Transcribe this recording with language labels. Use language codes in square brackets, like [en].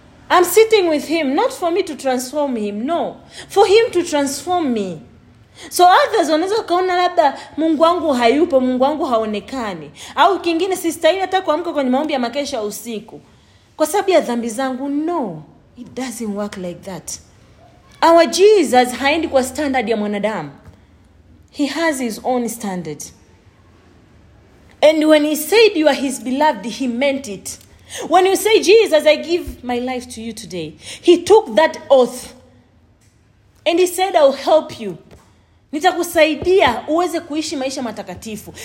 [en] I'm sitting with him not for me to transform him, no, for him to transform me. So others [sw] wanaweza kuona labda Mungu wangu hayupo, Mungu wangu haonekani. Au kingine sistahili hata kuamka kwenye maombi ya makesha usiku kwa sababu ya dhambi zangu. [en] No, it doesn't work like that. Our [sw] Jesus haendi kwa standard ya mwanadamu. [en] He has his own standard. And when he said you are his beloved, he meant it. When you say, Jesus, I give my life to you today, he took that oath. And he said, I'll help you. [sw] Nitakusaidia uweze kuishi maisha matakatifu.